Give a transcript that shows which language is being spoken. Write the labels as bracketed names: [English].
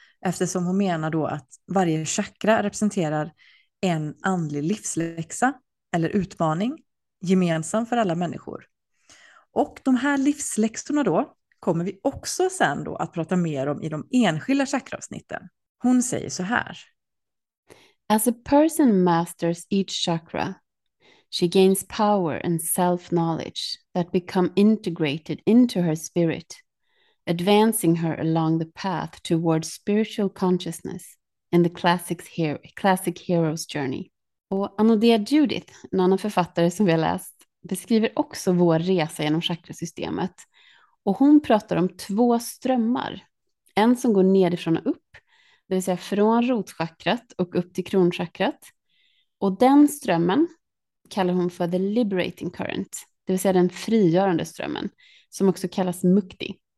[Swedish] Eftersom hon menar då att varje chakra representerar en andlig livsläxa eller utmaning gemensam för alla människor. Och de här livsläxorna då kommer vi också sen då att prata mer om i de enskilda chakraavsnitten. Hon säger så här. [English] As a person masters each chakra, she gains power and self-knowledge that become integrated into her spirit, advancing her along the path towards spiritual consciousness in the classic hero's journey. [Swedish] Och Anodea Judith, en annan författare som vi har läst, beskriver också vår resa genom chakrasystemet. Och hon pratar om två strömmar. En som går nedifrån och upp, det vill säga från rotchakrat och upp till kronchakrat. Och den strömmen kallar hon för [English] the liberating current, [Swedish] det vill säga den frigörande strömmen, som också kallas mukti.